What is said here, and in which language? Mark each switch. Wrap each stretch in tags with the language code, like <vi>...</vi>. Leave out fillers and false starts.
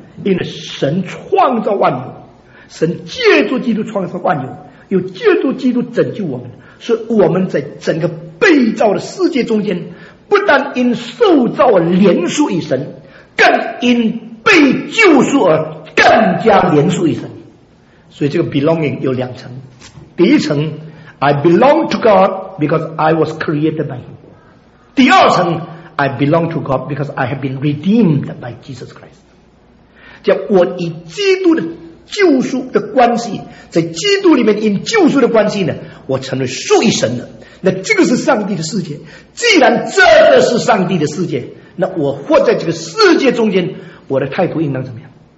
<zh>因为神创造万有，神借助基督创造万有，又借助基督拯救我们，所以我们在整个被造的世界中间，不但因受造而连属于神，更因被救赎而更加连属于神。所以这个</zh> <en>belonging</en> <zh>有两层，第一层</zh> <en>I belong to God because I was created by him，</en> <zh>第二层</zh> <en>I belong to God because I have been redeemed by Jesus Christ。</en> <zh>叫我以基督的救赎的关系，在基督里面因救赎的关系呢，我成为属于神的。那这个是上帝的世界，既然这个是上帝的世界，那我活在这个世界中间，我的态度应当怎么样？</zh>